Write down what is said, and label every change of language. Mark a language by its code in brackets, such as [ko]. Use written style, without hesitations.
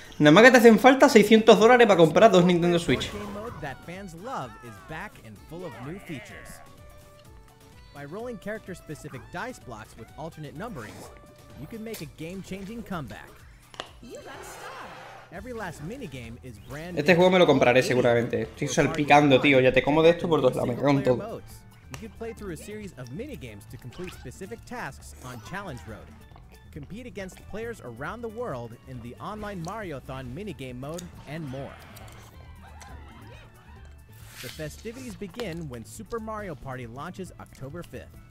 [es] Nada más que te hacen falta $600 para comprar dos Nintendo Switch. [en] That fans love is back and full of new features. By rolling character-specific dice blocks with alternate numberings, you can make a game-changing comeback. Every last mini game is brand new. [es] Este juego me lo compraré seguramente. Estoy salpicando, tío. Ya te como de esto por dos lados. Me cago en todo. [en] You can play through a series of mini games to complete specific tasks on Challenge Road. Compete against players around the world in the online Mario-thon mini game mode and more. The festivities begin when Super Mario Party launches October 5th.